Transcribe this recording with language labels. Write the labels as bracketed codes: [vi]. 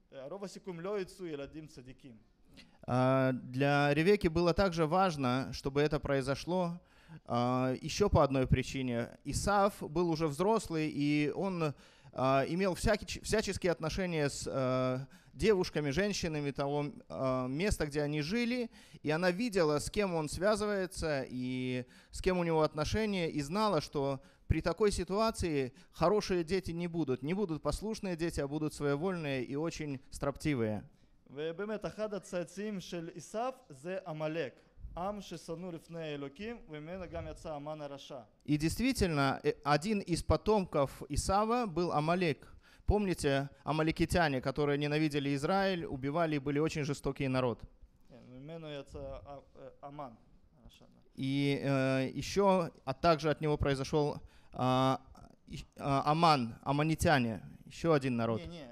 [he] רוב הסיכויים לא יצאו ילדים צדיקים. [ru] Для Ревекки было также важно, чтобы это произошло еще по одной причине. Исав был уже взрослый, и он имел всяческие отношения с девушками, женщинами того места, где они жили, и она видела, с кем он связывается и с кем у него отношения, и знала, что при такой ситуации хорошие дети не будут. Не будут послушные дети, а будут своевольные и очень строптивые. [he] ובאמת אחד הצאצאים של עשיו זה עמלק, עם ששנו לפני אלוקים, וממנו גם יצא המן הרשע. [ru] И действительно, один из потомков Исава был Амалек. Помните, амалекитяне, которые ненавидели Израиль, убивали и были очень жестокий народ. [he] ממנו יצא המן הרשע. [ru] И еще, а также от него произошел Аман, аманитяне, еще один народ.